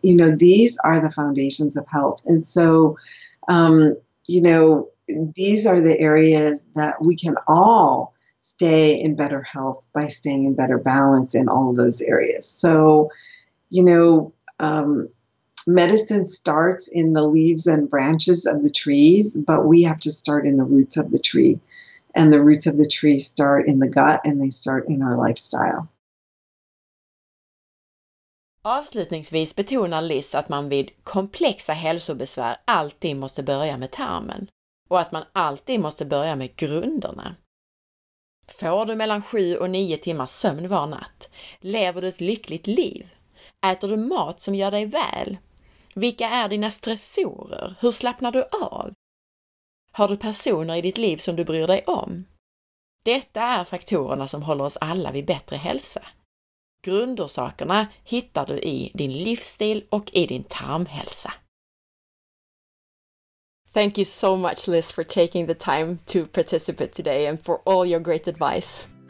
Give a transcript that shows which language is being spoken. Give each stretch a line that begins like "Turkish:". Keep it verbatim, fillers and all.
English: You know, these are the foundations of health. And so, um, you know, these are the areas that we can all stay in better health by staying in better balance in all those areas. So, you know, um, medicine starts in the leaves and branches of the trees, but we have to start in the roots of the tree. And the roots of the tree start in the gut and they start in our lifestyle.
Swedish: Avslutningsvis betonar Liz att man vid komplexa hälsobesvär alltid måste börja med tarmen och att man alltid måste börja med grunderna. Får du mellan sju och nio timmars sömn var natt? Lever du ett lyckligt liv? Äter du mat som gör dig väl? Vilka är dina stressorer? Hur slappnar du av? Har du personer i ditt liv som du bryr dig om? Detta är faktorerna som håller oss alla vid bättre hälsa. Grundorsakerna hittar du i din livsstil och i din tarmhälsa.
English: Thank you so much, Liz, for taking the time to participate today and for all your great advice.